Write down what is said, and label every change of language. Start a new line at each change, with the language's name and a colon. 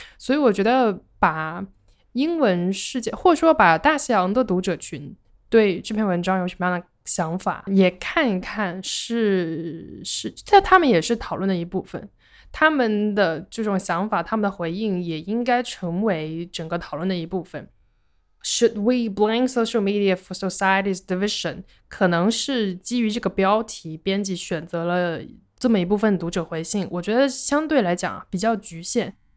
Chinese: 所以我觉得把英文世界，或者说把大西洋的读者群对这篇文章有什么样的想法也看一看，是他们也是讨论的一部分，他们的这种想法，他们的回应也应该成为整个讨论的一部分。
English: Should we blame social media for society's division?
Chinese: 可能是基于这个标题，编辑选择了这么一部分读者回信，我觉得相对来讲比较局限。